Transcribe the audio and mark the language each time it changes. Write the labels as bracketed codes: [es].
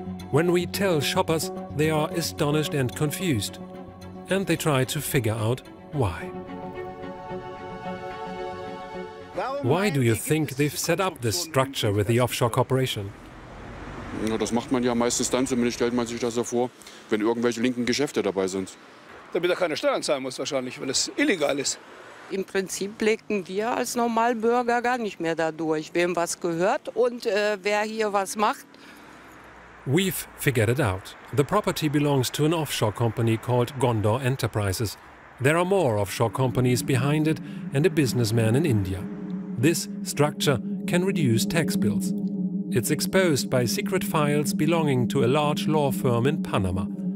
[en] When we tell shoppers, they are astonished and confused, and they try to figure out why. Why do you think they've set up this structure with the offshore corporation? [de] Ja, das macht man ja meistens dann, zumindest stellt man sich das so vor, wenn irgendwelche linken Geschäfte dabei sind. Damit er keine Steuern zahlen muss wahrscheinlich, weil es illegal ist. Im Prinzip blicken wir als Normalbürger gar nicht mehr dadurch, wem was gehört und wer hier was macht. [en] We've figured it out. The property belongs to an offshore company called Gondor Enterprises. There are more offshore companies behind it and a businessman in India. This structure can reduce tax bills. It's exposed by secret files belonging to a large law firm in Panama.